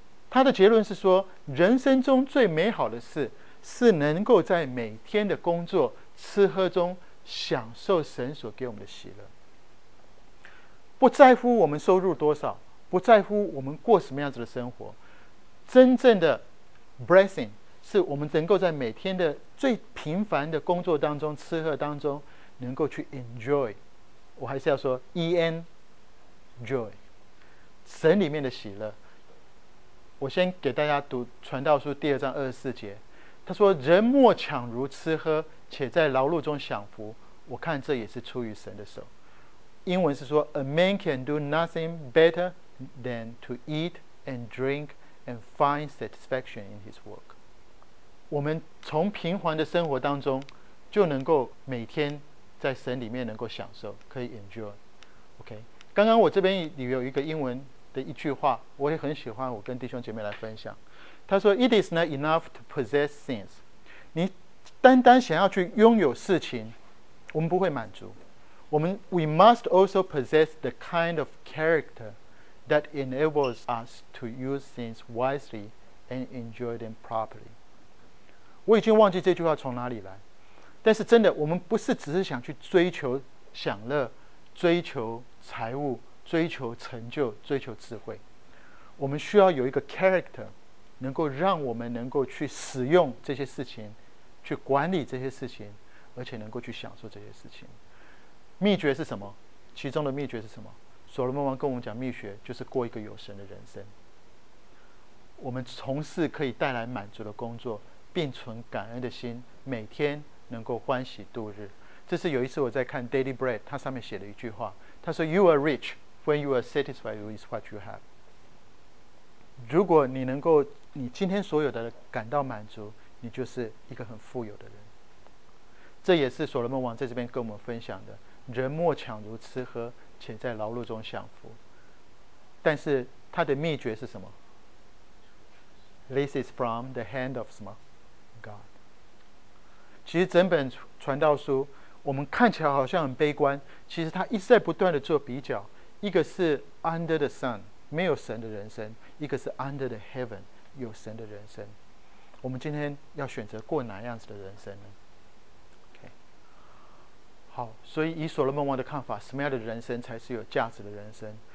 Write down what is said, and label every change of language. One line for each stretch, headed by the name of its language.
Chinese: 他的结论是说，人生中最美好的事是能够在每天的工作吃喝中享受神所给我们的喜乐，不在乎我们收入多少，不在乎我们过什么样子的生活，真正的 blessing 是我们能够在每天的最平凡的工作当中吃喝当中能够去 enjoy， 我还是要说 enjoy 神里面的喜乐。我先给大家读传道书第二章二十四节，他说人莫强如吃喝且在劳碌中享福，我看这也是出于神的手。英文是说
English: A man can do nothing better than to eat and drink and find satisfaction in his work。
Chinese: 我们从平凡的生活当中就能够每天在神里面能够享受，可以 enjoy、okay?
English: 刚刚我这边有一个英文的一句话我也很喜欢，我跟弟兄姐妹来分享，他说 It is not enough to possess things，
Chinese: 你单单想要去拥有事情我们不会满足，我们
English: We must also possess the kind of character that enables us to use things wisely and enjoy them properly。
Chinese: 我已经忘记这句话从哪里来，但是真的我们不是只是想去追求享乐，追求财务，追求成就，追求智慧，我们需要有一个 character 能够让我们能够去使用这些事情，去管理这些事情，而且能够去享受这些事情。秘诀是什么？其中的秘诀是什么？所罗门王跟我们讲秘诀就是过一个有神的人生，我们从事可以带来满足的工作，并存感恩的心，每天能够欢喜度日。这是有一次我在看 Daily Bread， 他上面写了一句话，他说
English: You are rich when you are satisfied with what you have。
Chinese: 如果你能够你今天所有的感到满足，你就是一个很富有的人。这也是所罗门王在这边跟我们分享的，人莫强如吃喝且在劳碌中享福。但是他的秘诀是什么？
English: This is from the hand of
Chinese: 什么？其实整本传道书我们看起来好像很悲观，其实他一直在不断的做比较，一个是
English: under the sun
Chinese: 没有神的人生，一个是
English: under the heaven
Chinese: 有神的人生。我们今天要选择过哪样子的人生呢？OK， 好，所以以所罗门王的看法，什么样的人生才是有价值的人生？